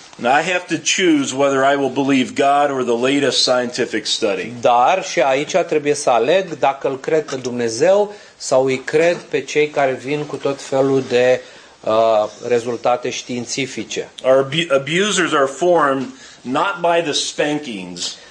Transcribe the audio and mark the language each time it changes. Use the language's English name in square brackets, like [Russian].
[English] Now I have to choose whether I will believe God or the latest scientific study. [Romanian] Dar și aici trebuie să aleg dacă îl cred pe Dumnezeu sau îi cred pe cei care vin cu tot felul de rezultate științifice. [English] Our abusers are formed not by the spankings.